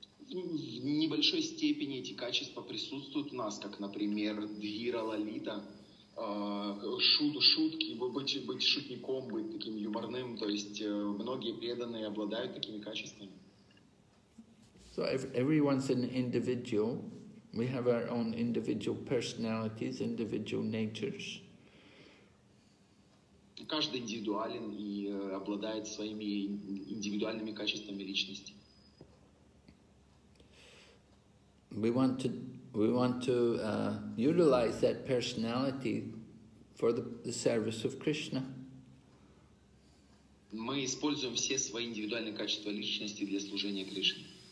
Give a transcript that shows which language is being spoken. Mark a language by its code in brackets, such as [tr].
[ru] В небольшой степени эти качества присутствуют у нас, как, например, Дира Лалита, шутки, быть шутником, быть таким юморным. То есть многие преданные обладают такими качествами. [en] So everyone's an individual. We have our own individual personalities, individual natures. [ru] Каждый индивидуален и обладает своими индивидуальными качествами личности. [en] We want to utilize that personality for the service of Krishna. [ru] Мы используем все свои индивидуальные качества личности для служения Кришне.